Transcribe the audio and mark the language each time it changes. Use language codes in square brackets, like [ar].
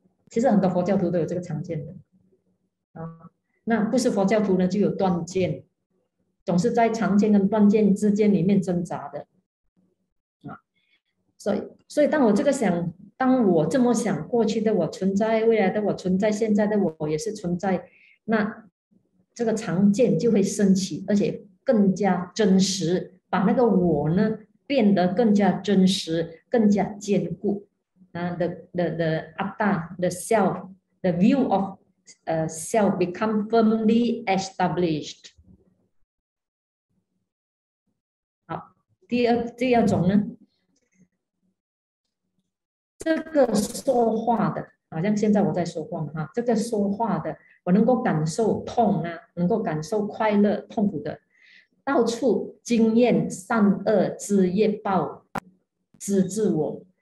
[zh] 其实很多佛教徒都有这个常见的、啊、那不是佛教徒呢就有断见，总是在常见跟断见之间里面挣扎的、啊、所以当我这个想，当我这么想，过去的我存在，未来的我存在，现在的我也是存在，那这个常见就会升起，而且更加真实，把那个我呢变得更加真实，更加坚固。 [en] The atta, the self, the view of self become firmly established. [zh] 好，第二种呢，这个说话的，好像现在我在说话嘛，这个说话的，我能够感受痛啊，能够感受快乐、痛苦的，到处经验善恶之业报，知自我。